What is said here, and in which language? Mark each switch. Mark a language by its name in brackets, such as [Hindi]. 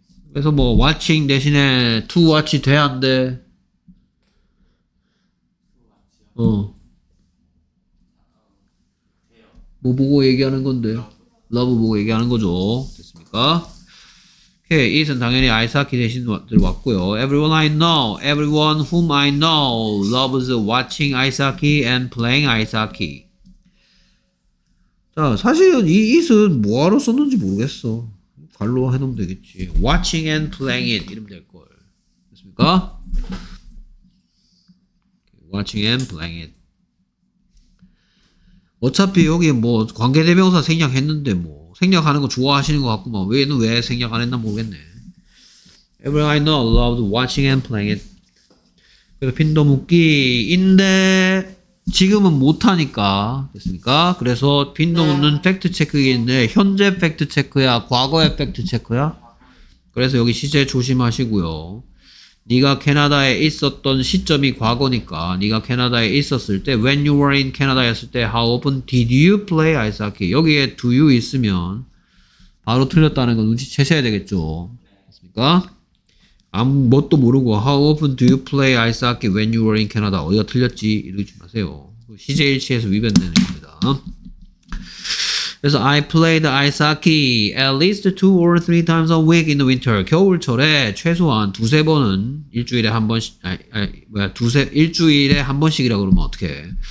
[Korean] 그래서 뭐 watching 대신에 to watch 돼 안 돼? 어 뭐 보고 얘기하는 건데 love 보고 얘기하는 거죠. 됐습니까? 오케이 이선 당연히 아이스하키 대신 들어왔고요. [English] Everyone I know, everyone whom I know loves watching ice hockey and playing ice hockey. [Korean] 자 사실은 이 이선 뭐하러 썼는지 모르겠어. 발로 해놓으면 되겠지. [English] Watching and playing it [Korean] 이러면 될걸. 됐습니까? [English] Watching and playing it. [Korean] 어차피 여기 뭐 관계대명사 생략했는데 뭐 생략하는 거 좋아하시는 것 같구만. 얘는 왜 생략 안 했나 모르겠네. [English] Everyone I know loved watching and playing it. [Korean] 그래서 핀도 묻기인데 지금은 못하니까 됐습니까? 그래서 빈도 묻는 팩트체크기 있는데 현재 팩트체크야? 과거의 팩트체크야? 그래서 여기 시제 조심하시고요. 네가 캐나다에 있었던 시점이 과거니까 네가 캐나다에 있었을 때 [English] When you were in Canada [Korean] 했을 때 [English] How often did you play ice hockey? [Korean] 여기에 do you 있으면 바로 틀렸다는 건 눈치채셔야 되겠죠. 됐습니까? [English] 아무것도 모르고 How often do you play ice hockey when you were in Canada? [Korean] 어디가 틀렸지? 이러지 마세요. 시제일치에서 위변되는 겁니다. 그래서 [English] I played ice hockey at least two or three times a week in the winter. [Korean] 겨울철에 최소한 두세 번은 일주일에 한 번씩 일주일에 한 번씩이라고 그러면 어떡해.